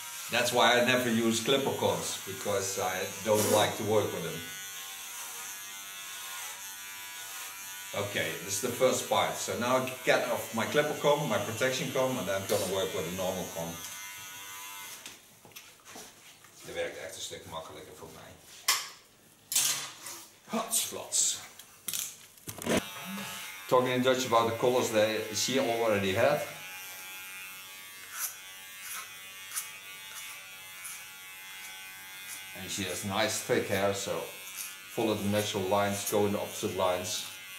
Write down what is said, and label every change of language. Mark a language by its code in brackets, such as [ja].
[en] That's why I never use clipper combs, because I don't like to work with them. Okay, this is the first part. So now I get off my clipper comb, my protection comb, and then I'm gonna work with a normal comb. [nl] Dit werkt echt een stuk makkelijker voor mij. Hotsflots. [en] Talking in Dutch about the colors that she already had. And she has nice thick hair, so follow the natural lines, go in the opposite lines.